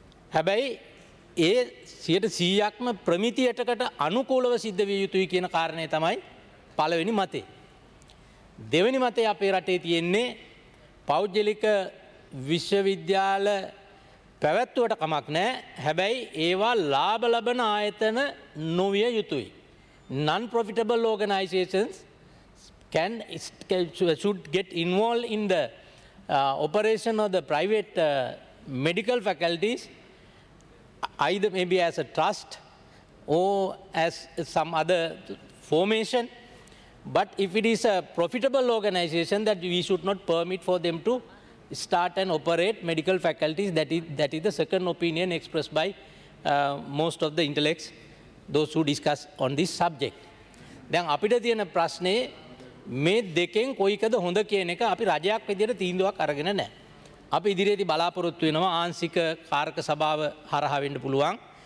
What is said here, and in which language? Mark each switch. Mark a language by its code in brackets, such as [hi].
[si] හැබැයි ඒ 100%ක්ම ප්‍රමිතියටකට අනුකූලව සිද්ධ විය යුතුයි කියන කාරණය තමයි පළවෙනි මතේ. දෙවැනි මතේ අපේ රටේ තියෙන්නේ පෞද්ගලික විශ්වවිද්‍යාල පැවැත්වුවට කමක් නැහැ. හැබැයි ඒවා ලාභ ලබන ආයතන නොවිය යුතුයි. [en] Non profitable organisations can should get involved in the operation of the private medical faculties either maybe as a trust or as some other formation, but if it is a profitable organization that we should not permit for them to start and operate medical faculties. That is the second opinion expressed by most of the intellects, those who discuss on this subject. [si] Then අපිට තියෙන ප්‍රශ්නේ මේ දෙකෙන් කොයිකද හොඳ කියන එක අපි රජයක් විදිහට තීන්දුවක් අරගෙන නැහැ. අපි ඉදිරියේදී බලාපොරොත්තු වෙනවා ආංශික කාරක සභාව හරහා වෙන්න පුළුවන්.